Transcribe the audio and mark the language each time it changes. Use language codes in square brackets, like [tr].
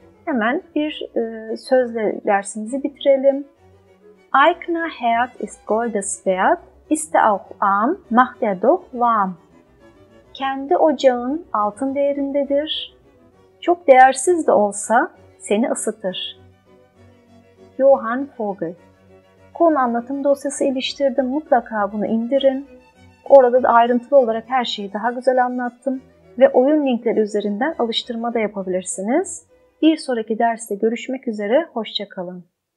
[tr] Hemen bir sözle dersimizi bitirelim. [de] Eigner Herd ist goldes wert, ist auch arm, macht doch warm. [tr] Kendi ocağın altın değerindedir. Çok değersiz de olsa seni ısıtır. Johann Vogel. Konu anlatım dosyası iliştirdim. Mutlaka bunu indirin. Orada da ayrıntılı olarak her şeyi daha güzel anlattım. Ve oyun linkleri üzerinden alıştırma da yapabilirsiniz. Bir sonraki derste görüşmek üzere. Hoşça kalın.